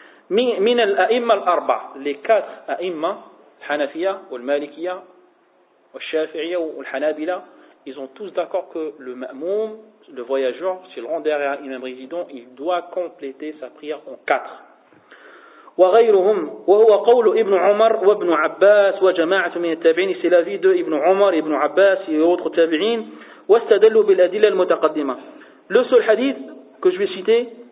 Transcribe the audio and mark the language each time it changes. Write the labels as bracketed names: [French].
[Arabic] من الأئمة الأربعة. [French] Les 4 أئمة, الحنفية والمالكية والشافعية والحنابلة, ils ont tous d'accord que le ma'moum, le voyageur, s'il rentre derrière un imam résident, il doit compléter sa prière en 4. [Arabic] وغيرهم وهو قول ابن عمر وابن عباس وجماعة من التابعين. [French] C'est l'avis de ابن عمر, ابن عباس et autres تابعين. [Arabic] واستدلوا بالأدلة المتقدمة. [French] Le seul hadith que je vais citer.